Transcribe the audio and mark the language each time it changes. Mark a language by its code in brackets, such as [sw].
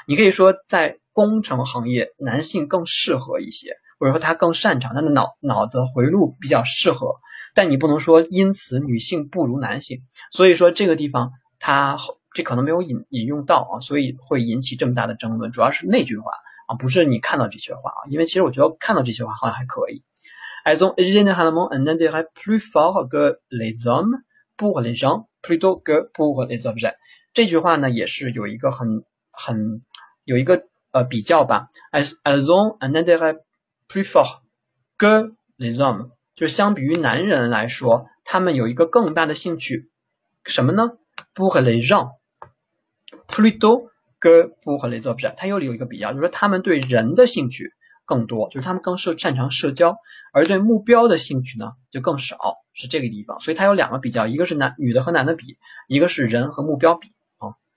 [zh] 你可以说在工程行业，男性更适合一些，或者说他更擅长，他的脑子回路比较适合，但你不能说因此女性不如男性。所以说这个地方他这可能没有引用到啊，所以会引起这么大的争论，主要是那句话啊，不是你看到这些话啊，因为其实我觉得看到这些话好像还可以。 [fr] Elles ont généralement un intérêt plus fort que les hommes pour les gens plutôt que pour les objets。 [zh] 这句话呢，也是有一个很有一个比较吧。 [fr] Elles ont un intérêt plus fort que les hommes， [zh] 就是相比于男人来说，他们有一个更大的兴趣，什么呢？ [fr] pour les gens plutôt que pour les objets。 [zh] 它又有一个比较，就是说他们对人的兴趣更多，就是他们更擅长社交，而对目标的兴趣呢就更少，是这个地方，所以它有两个比较，一个是男女的和男的比，一个是人和目标比啊。